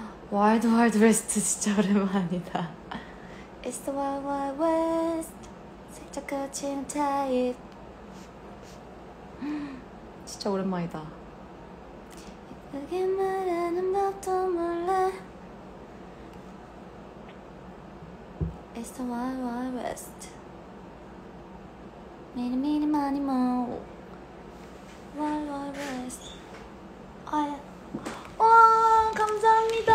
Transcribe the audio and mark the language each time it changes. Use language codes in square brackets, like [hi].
[en] 와일드 와일드 웨스트 진짜 오랜만이다. It's the wild wild west [ko] 살짝 거친 타입 진짜 오랜만이다. 예쁘게 말하는 법도 몰라 [en] It's the wild wild west [ko] 미니 미니 마니 모 [en] wild wild west [ko] 아야 와 감사합니다.